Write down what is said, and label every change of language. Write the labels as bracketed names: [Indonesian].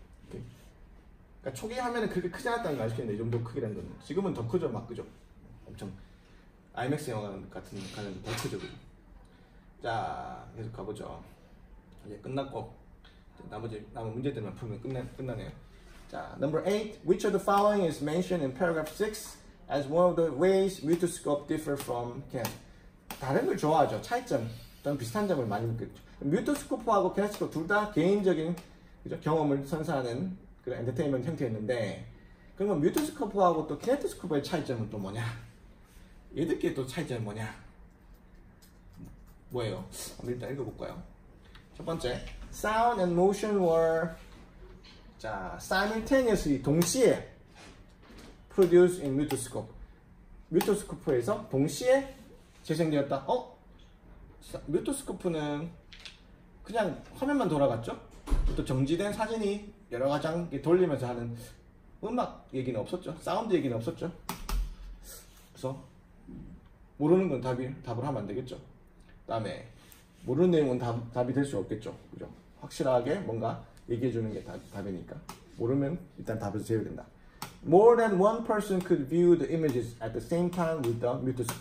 [Korean] 그러니까 초기 화면은 그렇게 크지 않았다는 걸 아시겠는데 이 정도 크기라는 거는 지금은 더 크죠, 막 그죠? 엄청 IMAX 영화 같은 가는 더 크죠, 그죠? 자, 계속 가보죠. 이제 끝났고 남은 문제들만 풀면 끝나네요. 자, number 8. [English] Which of the following is mentioned in paragraph 6 as one of the ways mutoscope differ from CAD? [Korean] 다른 걸 좋아하죠. 차이점 또는 비슷한 점을 많이 느꼈죠. 뮤토스코프하고 CAD스코 둘 다 개인적인, 그죠? 경험을 선사하는 그런 엔터테인먼트 형태였는데 그러면 뮤토스코프하고 또 CAD스코프의 차이점은 또 뭐냐? 얘들끼리 또 차이점은 뭐냐? 뭐예요? 한번 일단 읽어볼까요? 첫 번째, sound and motion were 자, simultaneously 동시에 produce in mutoscope. 뮤토스코프에서 동시에 재생되었다. 뮤토스코프는 그냥 화면만 돌아갔죠? 또 정지된 사진이 여러 가지 돌리면서 하는 음악 얘기는 없었죠. 사운드 얘기는 없었죠. 그래서 모르는 건 답을 하면 안 되겠죠. 그다음에 모르는 내용은 답이 될 수 없겠죠. 그죠? 확실하게 뭔가 얘기해 주는 게 답이니까 모르면 일단 답을 제외된다. [English] More than one person could view the images at the same time with the mutes.